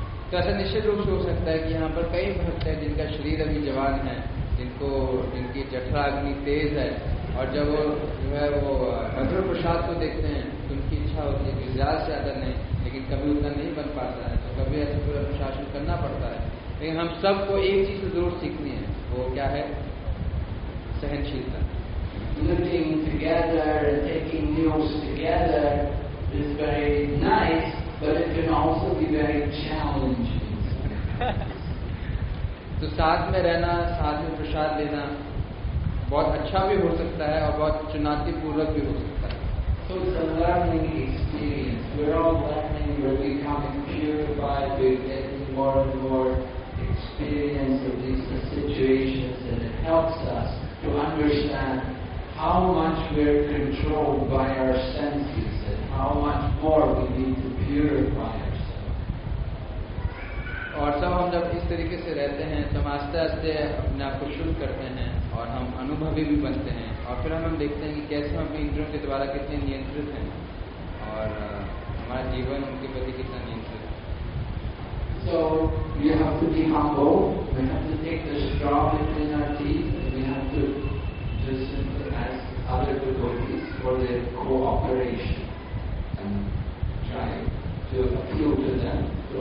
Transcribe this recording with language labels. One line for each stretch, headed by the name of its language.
Hindi: तो ऐसा निश्चित रूप से हो सकता है कि यहाँ पर कई भक्त हैं जिनका शरीर अभी जवान है जिनको जिनकी जठराग्नि तेज है और जब वो जो है वो मधुर प्रसाद को देखते हैं तो उनकी इच्छा होती है कि ज्यादा से ज्यादा नहीं लेकिन कभी उतना नहीं बन पाता है तो कभी ऐसा पूरा अनुशासन करना पड़ता है लेकिन हम सबको एक चीज से जरूर सीखनी है वो क्या है सहनशीलता
English: Living together and taking meals together is very nice, but it can also be very challenging
Hindi: तो साथ में रहना, साथ में प्रसाद लेना बहुत अच्छा भी हो सकता है और बहुत चुनौतीपूर्वक भी हो सकता है.
English: So it's a learning experience. We're all learning, we're becoming purified, we're getting more and more experience of these situations, and it helps us to understand how much we're controlled by our senses and how much more we need to purify ourselves.
Hindi: और सब हम जब इस तरीके से रहते हैं तब आस्ते आस्ते अपने आप को शुद्ध करते हैं और हम अनुभवी भी बनते हैं और फिर हम देखते हैं कि कैसे हम अपने इंद्रियों के द्वारा कितने नियंत्रित हैं और हमारा जीवन उनके प्रति कितना नियंत्रित है.
English: So we have to be humble, we have to take the straw between our teeth, we have to just ask other devotees for their cooperation and try to appeal to them.